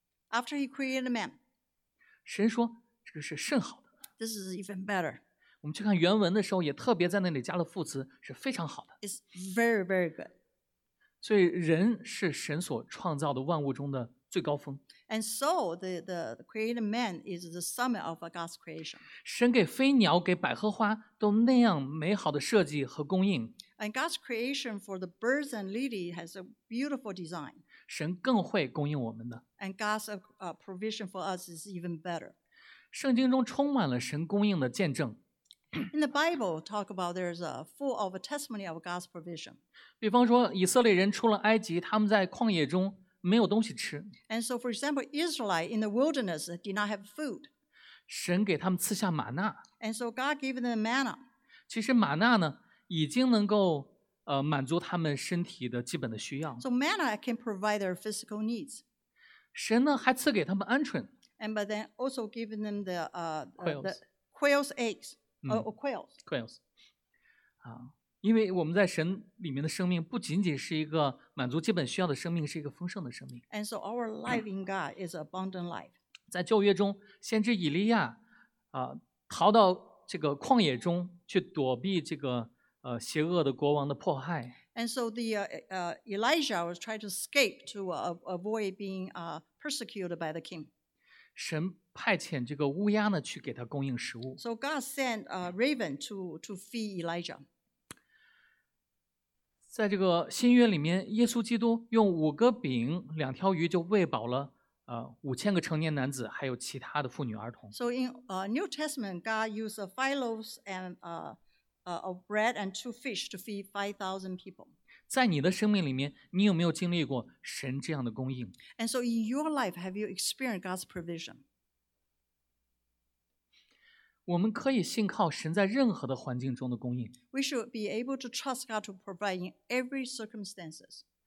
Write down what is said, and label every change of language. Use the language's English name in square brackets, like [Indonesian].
[English] ，After he created man. [Chinese] 神说这个是甚好的。 [English] This is even better. [Chinese] 我们去看原文的时候也特别在那里加了副词是非常好的。 [English] It's very, very good. [Chinese] 所以人是神所创造的万物中的最高峰。 [English] And so the created man is the summit of God's creation. [Chinese] 神给飞鸟给百合花都那样美好的设计和供应。 [English] And God's creation for the birds and lily has a beautiful design. [Chinese] 神更会供应我们的。 [English] And God's provision for us is even better. [Chinese] 圣经中充满了神供应的见证。 [English] In the Bible, talk about there's a full of a testimony of God's provision. [Chinese] 比方说，以色列人出了埃及，他们在旷野中没有东西吃。 [English] And so, for example, Israelite in the wilderness did not have food. [Chinese] 神给他们赐下玛纳。 [English] And so God gave them manna. [Chinese] 其实玛纳呢，已经能够满足他们身体的基本的需要。 [English] So manna can provide their physical needs. [Chinese] 神呢还赐给他们鹌鹑。 [English] And but then also giving them the quails eggs or quails. Quails. [Chinese] 啊，因为我们在神里面的生命不仅仅是一个满足基本需要的生命，是一个丰盛的生命。 [English] And so our life in God is abundant life. [Chinese] 在旧约中，先知以利亚逃到这个旷野中去躲避这个邪恶的国王的迫害。 [English] And so the Elijah was trying to escape to avoid being persecuted by the king. [Chinese] 神派遣这个乌鸦呢去给他供应食物。 [English] So God sent a raven to feed Elijah. [Chinese] 在这个新约里面，耶稣基督用五个饼两条鱼就喂饱了五千个成年男子，还有其他的妇女儿童。 [English] So in New Testament, God used five loaves and of bread and two fish to feed 5,000 people. [Chinese] 在你的生命里面，你有没有经历过神这样的供应 [English] ？And so in your life, have you experienced God's provision? [Chinese] 我们可以信靠神在任何的环境中的供应。 [English] We should be able to trust God to provide in every circumstances.